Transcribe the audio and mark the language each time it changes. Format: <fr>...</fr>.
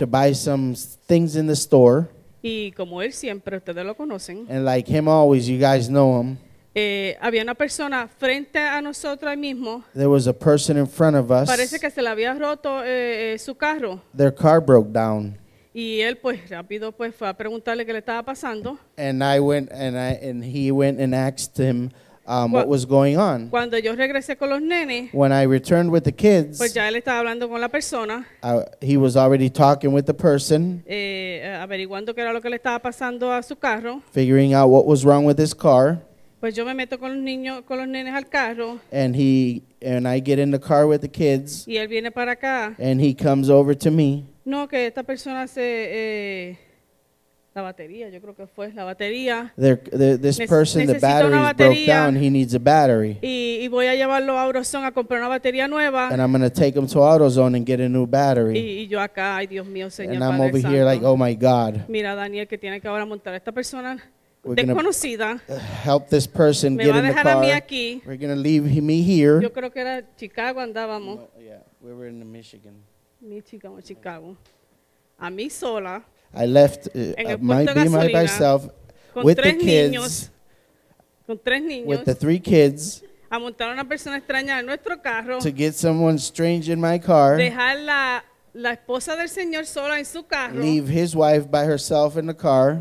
<en>To buy some things in the store.</en> <es>Y como él siempre, ustedes lo conocen.</es> <en>And like him always, you guys know him.</en> <es>Había una persona frente a nosotros mismo.</es> <en>There was a person in front of us.</en> <es>Parece que se le había roto su carro.</es> <en>Their car broke down.</en> <es>Y él pues rápido pues fue a preguntarle qué le estaba pasando.</es> <en>And I went and he went and asked him what was going on.</en> <es>Cuando yo regresé con los nenes,</es> <en>when I returned with the kids,</en> <es>pues ya él estaba hablando con la persona,</es> <en>he was already talking with the person,</en> <es>averiguando qué era lo que le estaba pasando a su carro,</es> <en>figuring out what was wrong with his car.</en> <es>Pues yo me meto con los niños, con los nenes al carro,</es> <en>and I get in the car with the kids,</en> <es>y él viene para acá,</es> <en>and he comes over to me.</en> <es>No, que esta persona se... La batería, yo creo que fue la batería.</es> <en>This person, the battery broke down. He needs a battery.</en> <es>Y voy a llevarlo a AutoZone a comprar una batería nueva.</es> <en>And I'm going to take him to AutoZone and get a new battery.</en> <es>Y yo acá, ay Dios mío, Señor.</es> <en>And I'm over here like, oh my God.</en> <es>Mira, Daniel, que tiene que ahora montar a esta persona desconocida.</es> <en>Help this person get in the car.</en> <es>Me va a dejar a mí aquí.</es> <en>We're going to leave me here.</en> <es>Yo creo que era Chicago andábamos.</es> <en>Yeah, we were in Michigan.</en> <es>Michigan o Chicago. A mí sola.</es> <en>I left my myself with the kids,</en> <es>con tres niños,</es> <en>with the three kids,</en> <es>a montar una persona extraña en nuestro carro,</es> <en>to get someone strange in my car,</en> <es>dejar la esposa del señor sola en su carro,</es> <en>leave his wife by herself in the car,</en>